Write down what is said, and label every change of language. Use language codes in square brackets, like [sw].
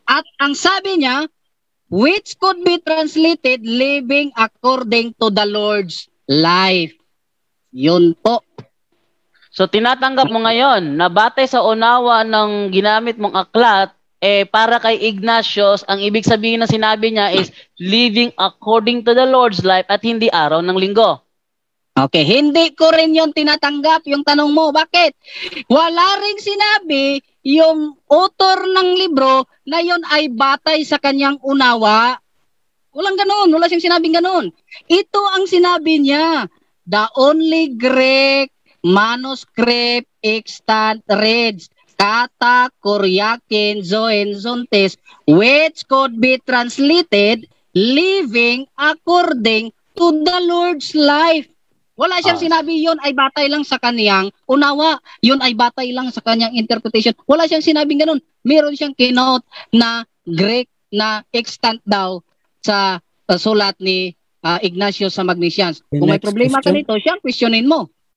[tl] At ang sabi niya, [en] which could be translated living according to the Lord's life. [tl] Yun po. So tinatanggap mo ngayon na batay sa unawa ng ginamit mong aklat, eh para kay Ignatius, ang ibig sabihin na sinabi niya is [en] living according to the Lord's life [tl] at hindi araw ng Linggo. Okay, hindi ko rin yung tinatanggap yung tanong mo. Bakit? Wala rin sinabi yung author ng libro na yun ay batay sa kanyang unawa. Walang ganun, wala siyang sinabing ganun. Ito ang sinabi niya, [en] the only Greek manuscript extant reads kata Kuryakin Zoen Suntes, which could be translated living according to the Lord's life. [tl] Wala siyang sinabi yun ay batay lang sa kaniyang unawa. Yun ay batay lang sa kaniyang interpretation. Wala siyang sinabing ganun. Meron siyang keynote na Greek na extant daw sa sulat ni Ignatius sa Magnesians. Kung may problema ka nito, siyang questionin mo.